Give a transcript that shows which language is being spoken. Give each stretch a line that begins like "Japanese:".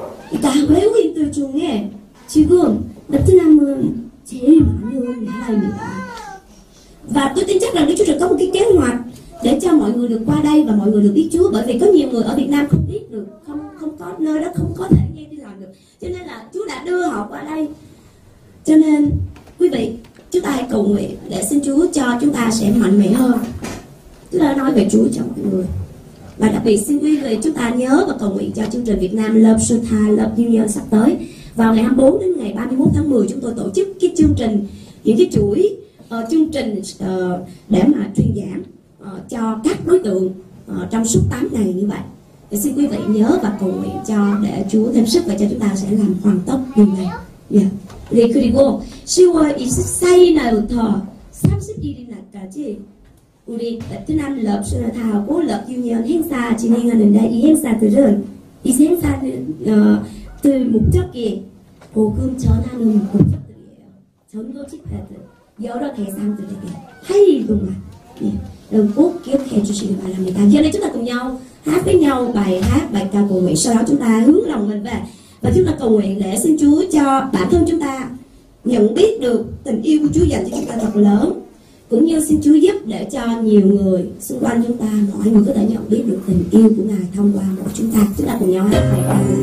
Korean: 그러니까 외국인들 중에 지금 베트남은 제일 많은 나라입니다.
Vietnamese: Và tôi tin chắc rằng Đức Chúa Trời có một cái kế hoạch để cho mọi người được qua đây và mọi người được biết Chúa, bởi vì có nhiều người ở Việt Nam không biết được, không có nơi đó, không có thể nghe đi làm được. Cho nên là Chúa đã đưa họ qua đây. Cho nên quý vị, chúng ta hãy cầu nguyện để xin Chúa cho chúng ta sẽ mạnh mẽ hơn. Chúng ta nói về Chúa cho mọi người. Và đặc biệt xin quý vị chúng ta nhớ và cầu nguyện cho chương trình Việt Nam Love Sutha, Love Union sắp tới. Vào ngày 24 đến ngày 31 tháng 10 chúng tôi tổ chức cái chương trình, những cái chuỗi chương trình để mà truyền giảng cho các đối tượng trong suốt 8 ngày như vậy. Thì xin quý vị nhớ và cầu nguyện cho để Chúa thêm sức và cho chúng ta sẽ làm hoàn tất điều này. Dạ.
Korean: 네, 그리고 10월 24일부터 31일까지 우리 베트남 Love Sutha, Love Union 행사 진행하는데 이 행사들은 이 행사는 목적이 복음 전하는 목적들이에요. 전도 집회들 여러 대상들에게 할 일들만 여러분 꼭 기억해 주시기 바랍니다. 이번에
Vietnamese: chúng ta cùng nhau hát với nhau bài hát bài ca cầu nguyện, sau đó chúng ta hướng lòng mình về và chúng ta cầu nguyện để xin Chúa cho bản thân chúng ta nhận biết được tình yêu của Chúa dành cho chúng ta thật lớn, cũng như xin Chúa giúp để cho nhiều người xung quanh chúng ta, mọi người có thể nhận biết được tình yêu của Ngài thông qua mỗi chúng ta cùng nhau hát bài ca.